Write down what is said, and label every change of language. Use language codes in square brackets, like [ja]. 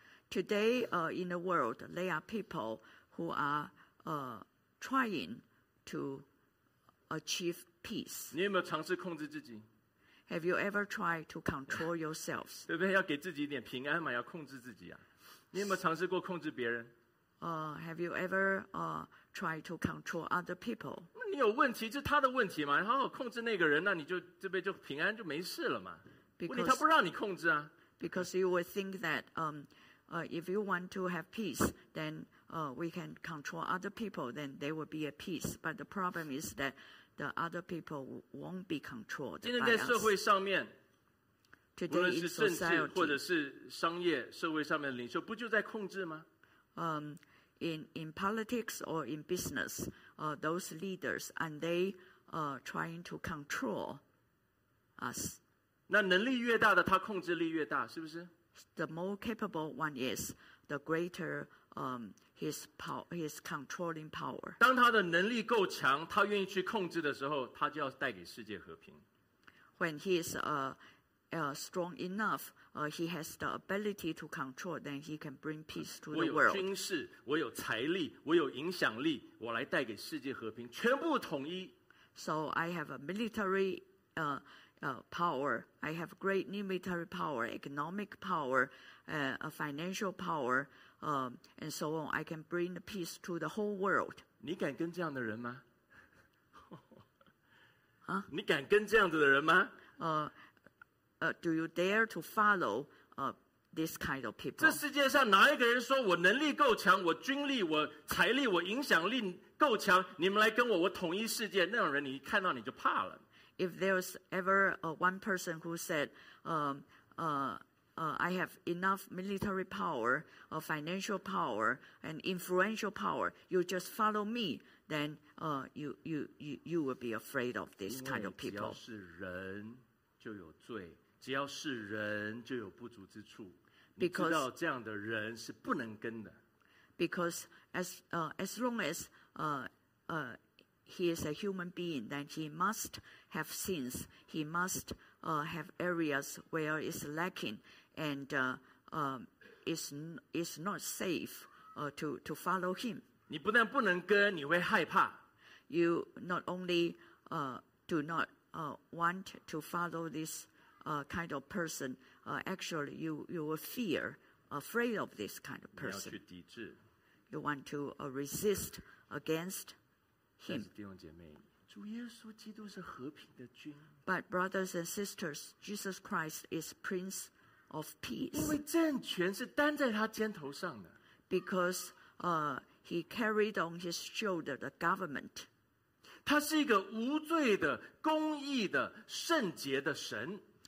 [en] Today, in the world, there are people. Who are trying to achieve peace? [zh] 你有没有尝试控制自己？ [en] Have you ever tried to control yourselves? [zh] 对不对？要给自己一点平安嘛，要控制自己啊。你有没有尝试过控制别人？ [en] Have you ever tried to control other people? [zh] 那你有问题，就是他的问题嘛。好好控制那个人，那你就这边就平安就没事了嘛。 [en] Because, [zh] 问题他不让你控制啊。 [en] Because you would think that if you want to have peace, then we can control other people, then there will be a peace. But the problem is that the other people won't be controlled by us. [zh] 今天在社会上面，无论是政治 [en] society, [zh] 或者是商业社会上面的领袖，不就在控制吗？ [en] In politics or in business, those leaders, and they are trying to control us. [zh] 那能力越大的，他控制力越大，是不是？ [en] The more capable one is, the greater his controlling power. [zh] 当他的能力够强，他愿意去控制的时候，他就要带给世界和平。 [en] When he is strong enough, he has the ability to control, then he can bring peace to the world. [zh] 我有军事，我有财力，我有影响力，我来带给世界和平，全部统一。 [en] So I have a military power. I have great military power, economic power, a financial power. And so on. I can bring the peace to the whole world. [zh] 你敢跟这样的人吗？啊？你敢跟这样子的人吗？ [en] Do you dare to follow this kind of people? [zh] 这世界上哪一个人说我能力够强，我军力，我财力，我影响力够强，你们来跟我，我统一世界，那种人你一看到你就怕了。 [en] If there's ever one person who said, I have enough military power, financial power, and influential power. You just follow me, then you will be afraid of this kind of people. [zh] 只要是人就有罪，只要是人就有不足之处。 [en] Because, [zh] 你知道这样的人是不能跟的。 [en] Because as long as he is a human being, then he must have sins. He must have areas where it's lacking. And it's not safe to follow him. [zh] 你不但不能跟，你会害怕。 [en] You not only do not want to follow this kind of person. Actually, you will fear, afraid of this kind of person. [zh] 你要去抵制。 [en] You want to resist against him. [zh] 但是弟兄姐妹，主耶稣基督是和平的君。 [en] But brothers and sisters, Jesus Christ is Prince. Of peace. [zh] 因为政权是担在他肩头上的。 [en] Because he carried on his shoulder the government. [zh] 他是一个无罪的、公义的、圣洁的神。